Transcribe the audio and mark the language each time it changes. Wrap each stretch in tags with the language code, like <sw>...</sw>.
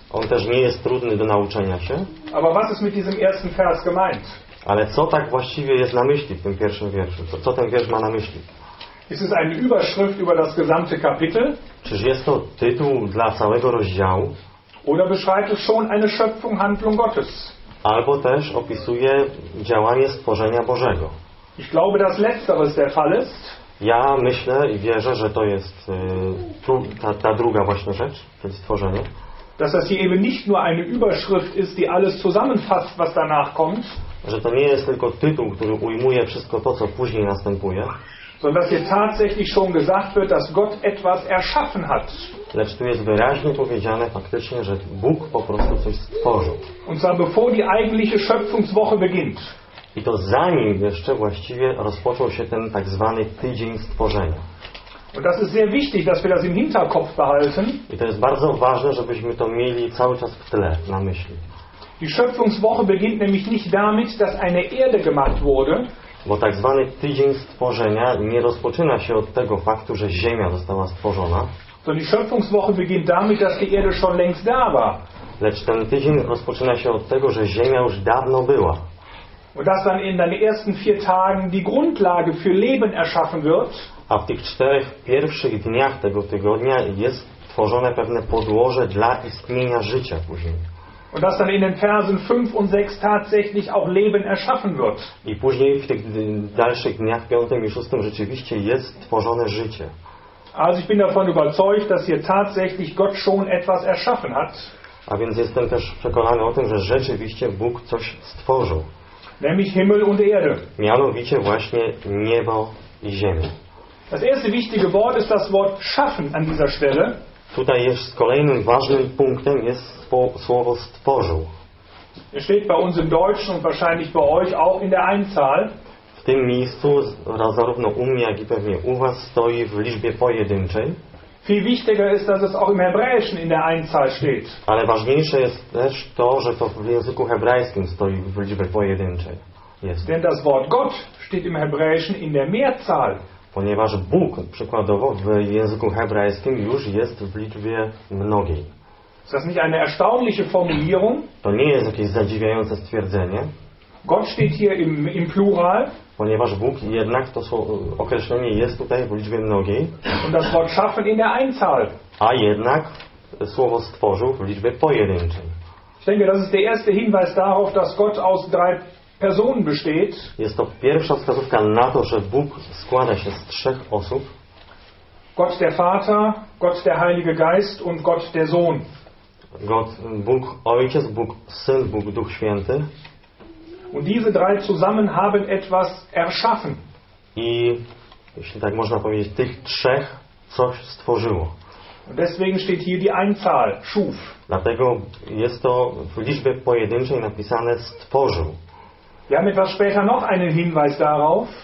<pl>On też nie jest trudny do nauczenia się.</pl> <de>Aber was ist mit diesem ersten Vers gemeint?</de> <pl>Ale co tak właściwie jest na myśli w tym pierwszym wierszu? Co ten wiersz ma na myśli?</pl> <de>Ist es eine Überschrift über das gesamte Kapitel?</de> <pl>Czyż jest to tytuł dla całego rozdziału?</pl> <de>Oder beschreibt es schon eine Schöpfunghandlung Gottes?</de> <pl>Albo też opisuje działanie stworzenia Bożego.</pl> <de>Ich glaube, das letztere ist der Fall ist.</de> <pl>Ja myślę i wierzę, że to jest ta druga właśnie rzecz, czyli stworzenie.</pl> <de>Dass das hier eben nicht nur eine Überschrift ist, die alles zusammenfasst, was danach kommt.</de> <pl>Że to nie jest tylko tytuł, który ujmuje wszystko to, co później następuje.</pl> <de>Sondern dass hier tatsächlich schon gesagt wird, dass Gott etwas erschaffen hat.</de> <pl>Lecz tu jest wyraźnie powiedziane faktycznie, że Bóg po prostu coś stworzył.</pl> <de>Und zwar bevor die eigentliche Schöpfungswoche beginnt.</de> <pl>I to zanim jeszcze właściwie rozpoczął się ten tak zwany tydzień stworzenia.</pl> <de>Und das ist sehr wichtig, dass wir das im Hinterkopf behalten.</de> <pl>I to jest bardzo ważne, żebyśmy to mieli cały czas w tle, na myśli.</pl> <de>Die Schöpfungswoche beginnt nämlich nicht damit, dass eine Erde gemacht wurde.</de> <pl>Bo tak zwany tydzień stworzenia nie rozpoczyna się od tego faktu, że Ziemia została stworzona.</pl> <de>Sondern die Schöpfungswoche beginnt damit, dass die Erde schon längst da war.</de> <pl>Lecz ten tydzień rozpoczyna się od tego, że Ziemia już dawno była.</pl> <de>Und dass dann in den ersten vier Tagen die Grundlage für Leben erschaffen wird.</de> <pl>A w tych czterech pierwszych dniach tego tygodnia jest tworzone pewne podłoże dla istnienia życia później.</pl> <de>Und dass dann in den Versen 5 und 6 tatsächlich auch Leben erschaffen wird.</de> <pl>I później w tych dalszych dniach, 5 i 6, rzeczywiście jest tworzone życie.</pl> <de>Also ich bin davon überzeugt, dass hier tatsächlich Gott schon etwas erschaffen hat.</de> <pl>A więc jestem też przekonany o tym, że rzeczywiście Bóg coś stworzył.</pl> <de>Nämlich Himmel und Erde.</de> <pl>Mianowicie właśnie niebo i ziemię.</pl> <de>Das erste wichtige Wort ist das Wort schaffen an dieser Stelle.</de> <pl>Tutaj jest kolejnym ważnym punktem jest słowo stworzył.</pl> <de>Es steht bei uns im Deutschen und wahrscheinlich bei euch auch in der Einzahl.</de> <pl>W tym miejscu, zarówno u mnie, jak i pewnie u was, stoi w liczbie pojedynczej.</pl> <de>Viel wichtiger ist, dass es auch im Hebräischen in der Einzahl steht.</de> <pl>Ale ważniejsze jest też to, że to w języku hebrajskim stoi w liczbie pojedynczej. Jest.</pl> <de>Denn das Wort Gott steht im Hebräischen in der Mehrzahl.</de> <pl>Ponieważ Bóg, przykładowo, w języku hebrajskim już jest w liczbie mnogiej.</pl> <de>Ist das nicht eine erstaunliche Formulierung?</de> <pl>To nie jest jakieś zadziwiające stwierdzenie.</pl> <de>Gott steht hier im Plural.</de> <pl>Ponieważ Bóg jednak to określenie jest tutaj w liczbie mnogiej.</pl> <de>Und das Wort schaffen in der Einzahl.</de> <pl>A jednak słowo stworzył w liczbie pojedynczej.</pl> <de>Ich denke, das ist der erste Hinweis darauf, dass Gott aus drei personen besteht.</de> <pl>Jest to pierwsza wskazówka na to, że Bóg składa się z trzech osób.</pl> <de>Gott der Vater, Gott der Heilige Geist und Gott der Sohn.</de> <pl>Bóg Ojciec, Bóg Syn, Bóg Duch Święty.</pl> <de>Und diese drei zusammen haben etwas erschaffen.</de> <pl>I jeśli tak można powiedzieć, tych trzech coś stworzyło.</pl> <de>Und deswegen steht hier die Einzahl, schuf.</de> <pl>Dlatego jest to w liczbie pojedynczej napisane stworzył.</pl> <de>Wir haben etwas später noch einen Hinweis darauf.</de>